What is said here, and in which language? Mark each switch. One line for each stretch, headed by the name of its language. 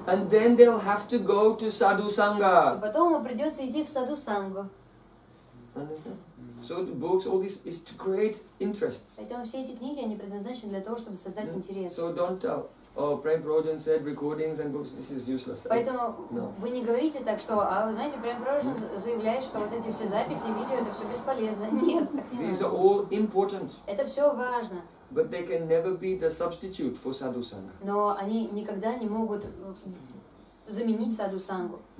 English: And then they'll have to go to Sadhu Sangha.
Russian: И потом ему придется идти в Sadhu Sangha.
English: So the books, all this is to create interest.
Russian: Поэтому все эти книги, они предназначены для того, чтобы создать
English: yeah.
Russian: интерес.
English: So don't tell. Oh, Prem Rojan said recordings and books. This is useless.
Russian: Поэтому
English: no.
Russian: вы не говорите так, что, а вы знаете, Прем Рожен заявляет, что вот эти все записи, видео, это все бесполезно. Нет.
English: These are all important.
Russian: Это все важно.
English: But they can never be the substitute for Sadhu Sangha.
Russian: Но они никогда не могут заменить Sadhu Sangha.